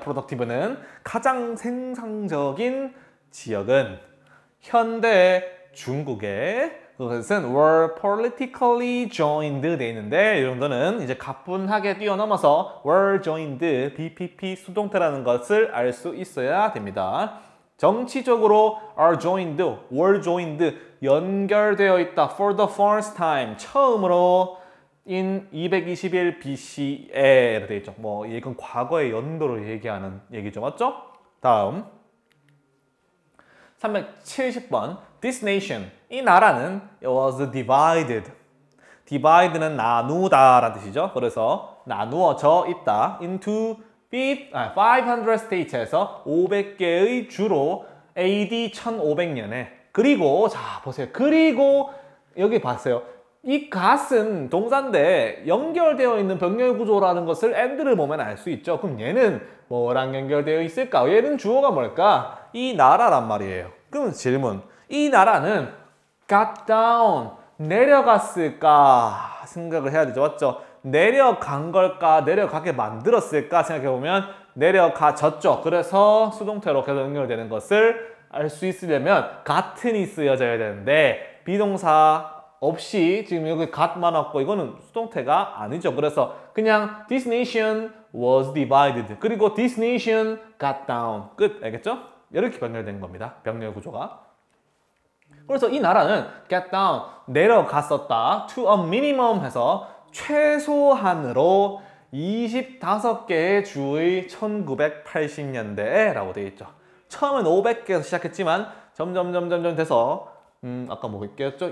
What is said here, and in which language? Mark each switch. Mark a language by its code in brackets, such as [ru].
[ko] productive는 가장 생산적인 지역은 현대 중국의 그것은 [en] were politically joined [ko] 돼 있는데 이 정도는 이제 가뿐하게 뛰어넘어서 [en] were joined BPP [ko] 수동태라는 것을 알 수 있어야 됩니다. 정치적으로 [en] are joined, were joined [ko] 연결되어 있다 [en] for the first time [ko] 처음으로 [en] in 221 BCE [ko] 라고 돼 있죠. 뭐 이건 과거의 연도로 얘기하는 얘기죠. 맞죠? 다음 370번 [en] This nation, [ko] 이 나라는 [en] it was divided. [ko] Divide는 나누다 라는 뜻이죠. 그래서 나누어져 있다 [en] into 500 states [ko] 에서 500개의 주로 AD 1500년에 그리고 자 보세요. 그리고 여기 봤어요. 이 got은 동사인데 연결되어 있는 병렬 구조라는 것을 and를 보면 알 수 있죠. 그럼 얘는 뭐랑 연결되어 있을까? 얘는 주어가 뭘까? 이 나라란 말이에요. 그럼 질문. 이 나라는 [en] got down, [ko] 내려갔을까 생각을 해야 되죠. 맞죠? 내려간 걸까? 내려가게 만들었을까? 생각해보면 내려가졌죠. 그래서 수동태로 계속 연결되는 것을 알 수 있으려면 got이 쓰여져야 되는데 비동사 없이 지금 여기 got만 왔고 이거는 수동태가 아니죠. 그래서 그냥 [en] this nation was divided. [ko] 그리고 [en] this nation got down. [ko] 끝. 알겠죠? 이렇게 병렬된 겁니다. 병렬 구조가. 그래서 이 나라는 [en] get down, [ko] 내려갔었다. [en] to a minimum [ko] 해서 최소한으로 25개의 주의 1980년대라고 되어 있죠. 처음엔 500개에서 시작했지만 점점 돼서 아까 뭐 얘기했죠?